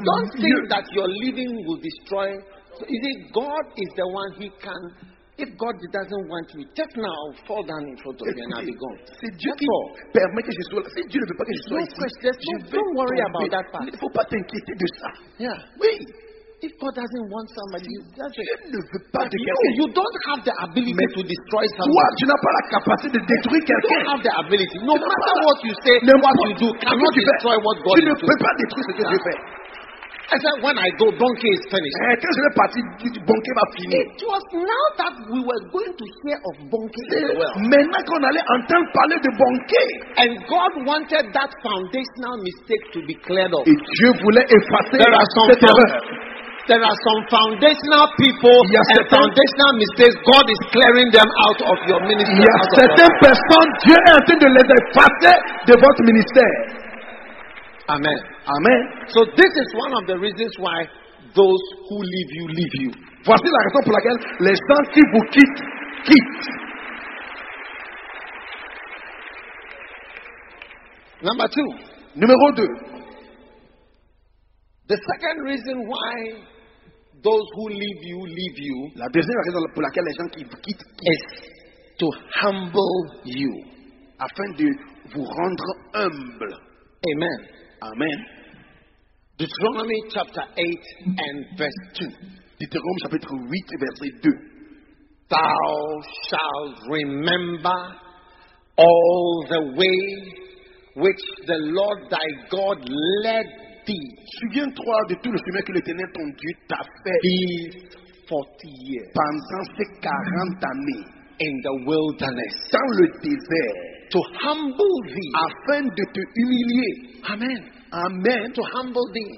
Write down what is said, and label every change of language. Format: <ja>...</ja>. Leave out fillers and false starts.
<en>Don't</en> <fr>mieux.</fr> <en>Don't think that your leaving will destroy. So, you see, God is the one he can. If God doesn't want me, just now I'll fall down in front of you and I'll be gone.</en> <fr>C'est Dieu qui permet que je sois là. Si Dieu ne veut pas que je sois ici,</fr> <en>don't worry about that part.</en> <fr>Il ne faut pas t'inquiéter de ça.</fr> <en>Yeah.</en> <fr>Oui.</fr> <en>If God doesn't want somebody,</en> <fr>Dieu</fr> <en>doesn't.</en> <fr>Ne veut pas de quelqu'un.</fr> <en>You don't have the ability</en> <fr>mais</fr> <en>to destroy somebody.</en> <fr>Toi, tu n'as pas la capacité de détruire quelqu'un.</fr> <en>You don't have the ability. No matter what you say, what you do, cannot destroy what God is doing.</en> <fr>Tu ne peux pas détruire ce que Dieu fait.</fr> <en>I said, when I go, Bonke is finished.</en> <fr>Quand je vais partir, Bonke va finir.</fr> <en>It was now that we were going to hear of Bonke as well.</en> <fr>Maintenant qu'on allait entendre parler de Bonke.</fr> <en>And God wanted that foundational mistake to be cleared up.</en> <fr>Et Dieu voulait effacer cette erreur.</fr> <en>There are some foundational people and foundational mistakes. God is clearing them out of your ministry.</en> <fr>Il y a certaines personnes, Dieu est en train de les effacer de votre ministère.</fr> <en>Amen.</en> <fr>Amen.</fr> <en>So this is one of the reasons why those who leave you, leave you.</en> <fr>Voici la raison pour laquelle les gens qui vous quittent, quittent.</fr> <en>Number two.</en> <fr>Numéro deux.</fr> <en>The second reason why those who leave you, leave you.</en> <fr>La deuxième raison pour laquelle les gens qui vous quittent, quittent.</fr> <en>Is to humble you.</en> <fr>Afin de vous rendre humble.</fr> <en>Amen.</en> <fr>Amen.</fr> <en>Deuteronomy chapter 8 and verse 2.</en> <fr>Deutéronome chapitre 8 et verset 2.</fr> <en>Thou shalt remember all the way which the Lord thy God led thee.</en> <fr>Souviens-toi de tout le chemin que l'Éternel ton Dieu t'a fait.</fr> <en>These 40 years.</en> <fr>Pendant ces 40 années.</fr> <en>In the wilderness.</en> <fr>Dans le désert.</fr> <en>To humble thee.</en> <fr>Afin de te humilier.</fr> <en>Amen.</en> <fr>Amen.</fr> <en>To humble thee.</en>